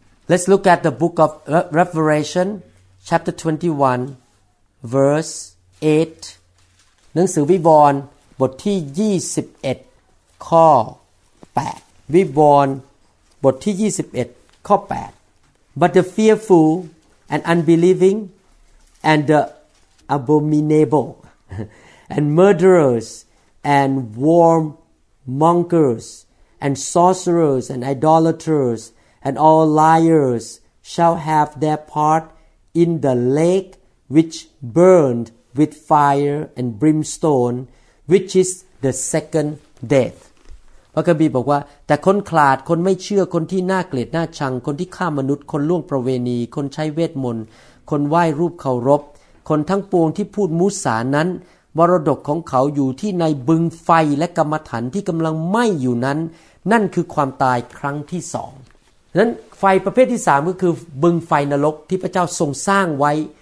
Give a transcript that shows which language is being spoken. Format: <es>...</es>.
<en>let's look at the book of Revelationchapter 21 verse 8</en> <th>หนังสือวิวรณ์บทที่21ข้อ8วิวรณ์บทที่21ข้อ8</th> <en>but the fearful and unbelieving and the abominable and murderers and warmongers and sorcerers and idolaters and all liars shall have their part in the lake which burned with fire and brimstone, which is the second death.</en> <th>พระคัมภีร์บอกว่าแต่คนขลาดคนไม่เชื่อคนที่น่าเกลียดน่าชังคนที่ฆ่ามนุษย์คนล่วงประเวณีคนใช้เวทมนต์คนไหว้รูปเคารพคนทั้งปวงที่พูดมุสานั้นมรดกของเขาอยู่ที่ในบึงไฟและกรรมฐานที่กำลังไหม้อยู่นั้นนั่นคือความตายครั้งที่สองนั้นไฟประเภทที่สามก็คือบึงไฟนรกที่พระเจ้าทรงสร้างไว้</th>